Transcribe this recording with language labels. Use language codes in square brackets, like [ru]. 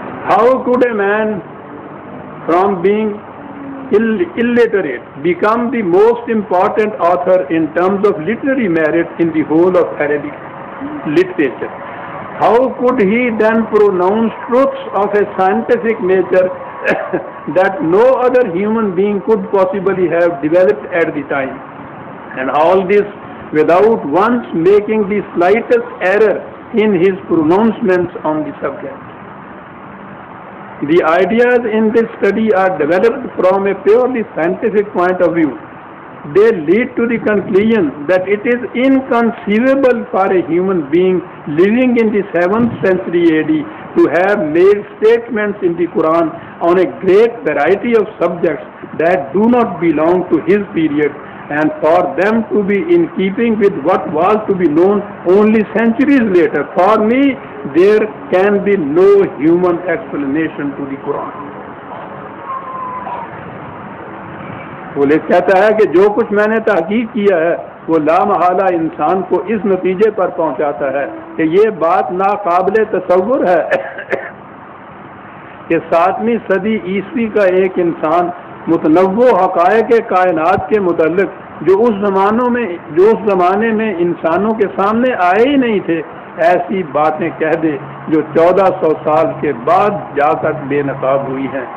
[en] How could a man from being illiterate become the most important author in terms of literary merit in the whole of Arabic literature. How could he then pronounce truths of a scientific nature that no other human being could possibly have developed at the time? And all this without once making the slightest error in his pronouncements on the subject. The ideas in this study are developed from a purely scientific point of view. They lead to the conclusion that it is inconceivable for a human being living in the 7th century AD to have made statements in the Quran on a great variety of subjects that do not belong to his period and for them to be in keeping with what was to be known only centuries later. For me, there can be no human explanation to the Quran. [ur] Police کہتا ہے کہ جو کچھ میں نے تحقیق کیا ہے وہ لا محالہ انسان کو اس نتیجے پر پہنچاتا ہے کہ یہ بات ناقابل تصور ہے کہ ساتویں صدی عیسوی کا ایک انسان متنوع حقائق کائنات کے متعلق جو اس زمانے میں انسانوں کے سامنے آئے ہی نہیں تھے ایسی باتیں کہہ دے جو 1400 سال کے بعد جا کر بے نقاب ہوئی ہیں.